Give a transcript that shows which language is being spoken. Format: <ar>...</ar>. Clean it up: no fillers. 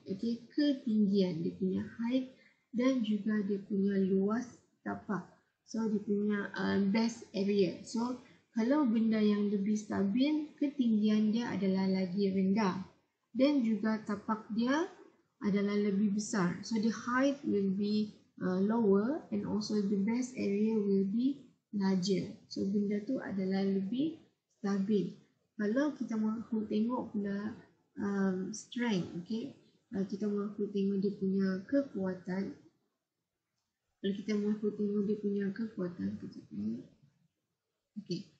<ms>Okey, ketinggian, dia punya height dan juga dia punya luas tapak. So, dia punya base area. So, kalau benda yang lebih stabil, ketinggian dia adalah lagi rendah. Dan juga tapak dia adalah lebih besar.</ms> <en>So, the height will be lower and also the base area will be larger.</en> <ms>So, benda tu adalah lebih stabil. Kalau kita mahu tengok pula strength, okay? Kita mahu tengok dia punya kekuatan. Kalau kita mahu tengok dia punya kekuatan, okay.</ms>